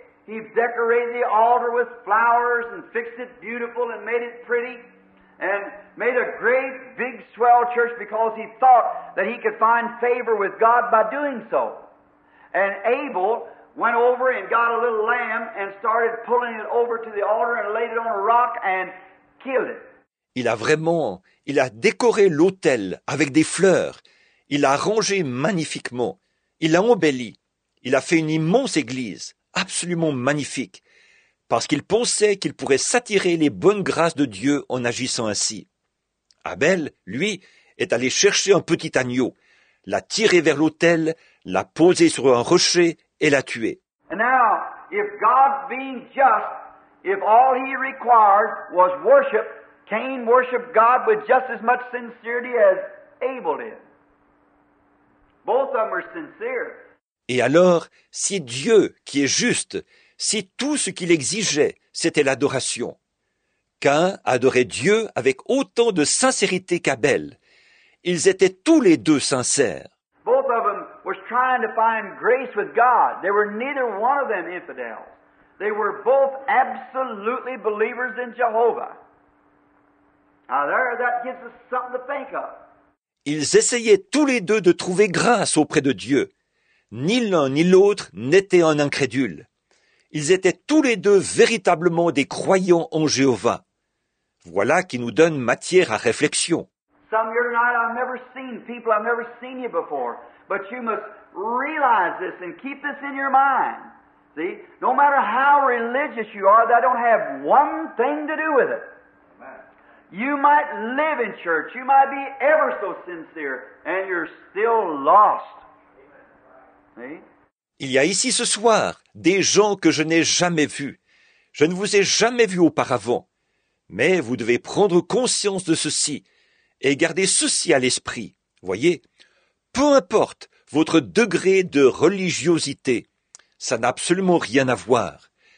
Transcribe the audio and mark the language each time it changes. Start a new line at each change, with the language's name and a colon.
English: He decorated the altar with flowers and fixed it beautiful and made it pretty and made a great big swell church because he thought that he could find favor with God by doing so. And Abel went over and got a little lamb and started pulling it over to the altar and laid it on a rock and killed it.
French: Il a décoré l'autel avec des fleurs. Il a rangé magnifiquement. Il a embelli. Il a fait une immense église. Absolument magnifique, parce qu'il pensait qu'il pourrait s'attirer les bonnes grâces de Dieu en agissant ainsi. Abel, lui, est allé chercher un petit agneau, l'a tiré vers l'autel, l'a posé sur un rocher et l'a tué.
English: Now, if God being just, if all he required was worship, Cain worshiped God with just as much sincerity as Abel did. Both of them were sincere.
French: Et alors, si Dieu qui est juste, si tout ce qu'il exigeait, c'était l'adoration. Cain adorait Dieu avec autant de sincérité qu'Abel. Ils étaient tous les deux sincères.
English: Both of them were trying to find grace with God. They were neither one of them infidels. They were both absolutely believers in Jehovah. Now there, that gives us something to think of.
French: Ils essayaient tous les deux de trouver grâce auprès de Dieu. Ni l'un ni l'autre n'étaient un incrédule. Ils étaient tous les deux véritablement des croyants en Jéhovah. Voilà qui nous donne matière à réflexion.
English: Some here tonight, I've never seen people, I've never seen you before. But you must realize this and keep this in your mind. See, no matter how religious you are, that don't have one thing to do with it. You might live in church, you might be ever so sincere, and you're still lost.
French: Il y a ici ce soir des gens que je n'ai jamais vus. Je ne vous ai jamais vus auparavant. Mais vous devez prendre conscience de ceci et garder ceci à l'esprit. Voyez, peu importe votre degré de religiosité, ça n'a absolument rien à voir.